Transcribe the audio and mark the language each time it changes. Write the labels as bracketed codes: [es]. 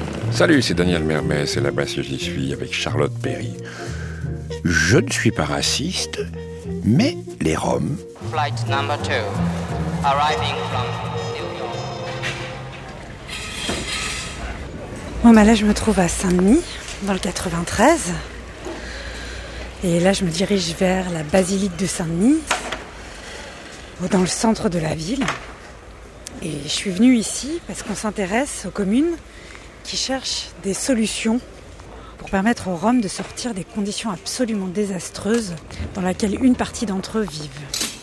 [fr] Salut, c'est Daniel Mermet, c'est là-bas que j'y suis avec Charlotte Perry. Je ne suis pas raciste, mais les Roms. [en] Flight number 2, arriving from New York. [fr] Bon, ben là, je me trouve à Saint-Denis, dans le 93. Et là, je me dirige vers la basilique de Saint-Denis, dans le centre de la ville. Et je suis venue ici parce qu'on s'intéresse aux communes qui cherchent des solutions pour permettre aux Roms de sortir des conditions absolument désastreuses dans lesquelles une partie d'entre eux vivent.